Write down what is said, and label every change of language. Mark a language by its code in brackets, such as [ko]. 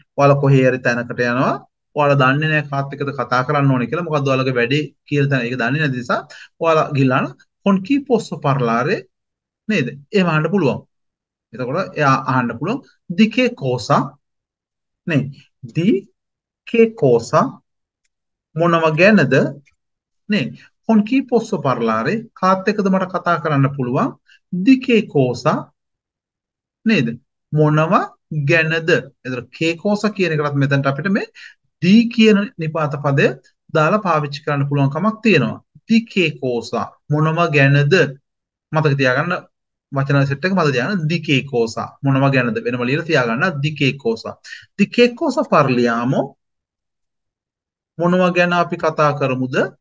[si] ඔයාල කොහේ හරි තැනකට යනවා, ඔයාල දන්නේ නැහැ කාත් එක්කද කතා කරන්න ඕනේ කියලා, මොකද්ද ඔයාලගේ වැඩේ කියලා තැන. ඒක දන්නේ නැති නිසා ඔයාල ගිල්ලාන [it] con chi posso parlare [si] නේද? එහෙම අහන්න පුළුවන්. එතකොට එයා අහන්න පුළුවන් [it] di che cosa [si] නේ? [it] di che cosa [si] මොනව ගැනද නේ? [it] con chi posso parlare [si] කාත් එක්කද මට කතා කරන්න පුළුවන්? [it] di che cosa නේද? [si] මොනව ගැනද? එතකොට කේ කෝස කියන එකවත් මෙතනට අපිට මේ දී කියන නිපාත පදය දාලා පාවිච්චි කරන්න පුළුවන් කමක් තියෙනවා. දී කේ කෝස මොනව ගැනද? මතක තියාගන්න වචන සෙට් එක මතක තියාගන්න. දී කේ කෝස මොනව ගැනද වෙනම ලියලා තියාගන්න. දී කේ කෝස පර්ලියාමෝ මොනව ගැන අපි කතා කරමුද?